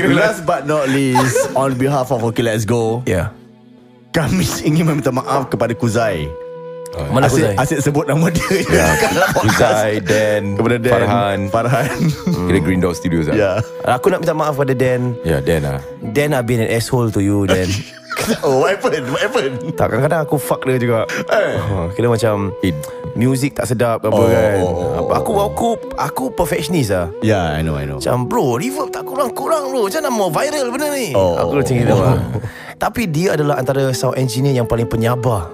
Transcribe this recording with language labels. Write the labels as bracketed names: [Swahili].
[English] Last but not least, on behalf of OK Let's Go, yeah, [Malay] kami ingin meminta maaf kepada Kuzai. Mana asyik, asyik sebut nama dia. Kuzai, Dan, kepada Dan, Farhan. Farhan. Kira Green Door Studios lah. [English] Yeah. [Malay] Aku nak minta maaf pada Dan. Ya, yeah, Dan lah. [English] Dan I've been an asshole to you, Dan. Oh, what happened? What happened? [Malay] Tak, kadang-kadang aku fuck dia juga. Kira macam it. Music tak sedap apa kan. Aku perfectionist lah. [English] Ya, yeah, I know. [Malay] Macam, bro, reverb tak kurang-kurang bro. Macam mana mau viral benda ni? Aku macam gitu lah. Tapi dia adalah antara sound engineer yang paling penyabar.